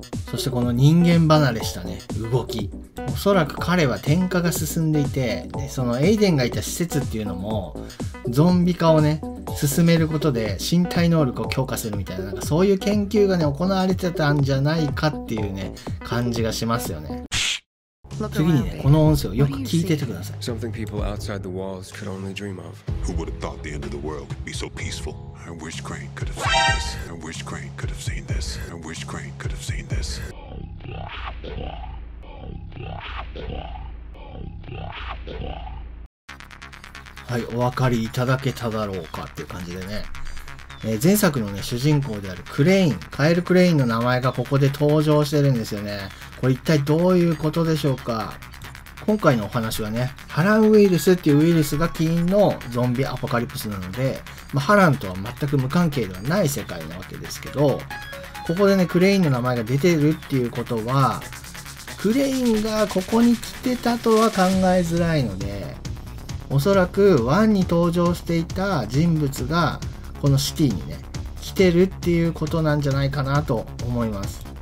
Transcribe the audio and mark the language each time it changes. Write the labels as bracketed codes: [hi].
[ja] そしてこの人間離れしたね、動き、おそらく彼は転化が進んでいて、でそのエイデンがいた施設っていうのもゾンビ化をね進めることで身体能力を強化するみたいな、なんかそういう研究がね行われてたんじゃないかっていうね感じがしますよね。次にね、この音声をよく聞いててください。 [en] Something people outside the walls could only dream of. Who would have thought the end of the world could be so peaceful? I wish Crane could have seen this. I wish Crane could have seen this. I wish Crane could have seen this. [ja] はい、お分かりいただけただろうかっていう感じでね、前作のね主人公であるクレイン、カエル・クレインの名前がここで登場してるんですよね。これ一体どういうことでしょうか。今回のお話はね、ハランウイルスっていうウイルスが起因のゾンビアポカリプスなので、まあ、ハランとは全く無関係ではない世界なわけですけど、ここでねクレインの名前が出てるっていうことは、クレインがここに来てたとは考えづらいので、おそらく1に登場していた人物がこのシティにね来てるっていうことなんじゃないかなと思います。